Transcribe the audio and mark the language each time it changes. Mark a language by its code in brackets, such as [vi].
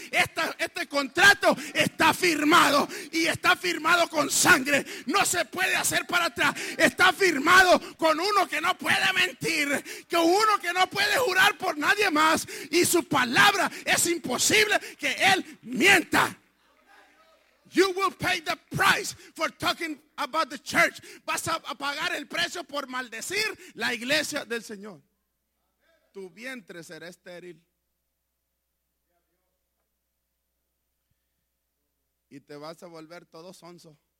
[es] Este contrato está firmado, y está firmado con sangre. No se puede hacer para atrás. Está firmado con uno que no puede mentir, con uno que no puede jurar por nadie más, y su palabra es imposible que él mienta. [en] You will pay the price for talking about the church. [es] Vas a pagar el precio por maldecir la iglesia del Señor. Tu vientre será estéril y te vas a volver todo sonso.